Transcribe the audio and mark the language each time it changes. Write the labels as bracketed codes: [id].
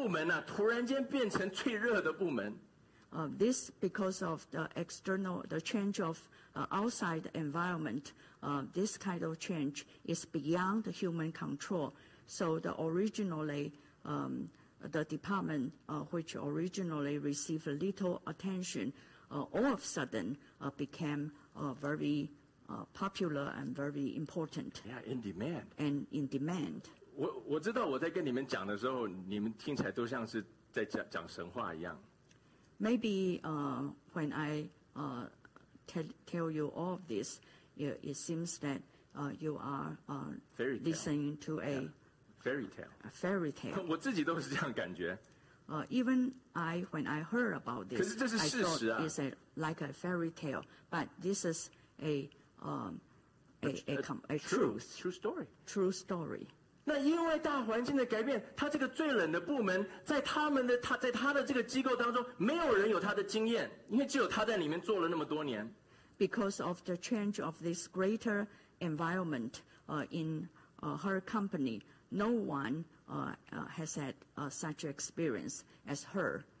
[zh] 因为大环境的改变完全不是人可以控制的。大环境的改变，这个冷的部门呢，突然间变成最热的部门。 [en] This because of the external, the change of outside environment, this kind of change is beyond human control. So the originally, the department which originally received little attention, all of a sudden became very popular and very important. Yeah, in demand. And in demand. [zh] 我知道我在跟你们讲的时候，你们听起来都像是在讲神话一样。 [en] Maybe when I tell you all of this, it seems that you are fairy tale. Listening to a fairy tale. A fairy tale. [zh] 我自己都是这样感觉。 [en] Even I, when I heard about this, [zh] 可是这是事实啊。 [en] I thought it's like a fairy tale. But this is a true story. True story. [zh] 那因为大环境的改变，他这个最冷的部门，在他的这个机构当中，没有人有他的经验，因为只有他在里面做了那么多年。 [en] Because of the change of this greater environment, in her company, no one has had such experience as her.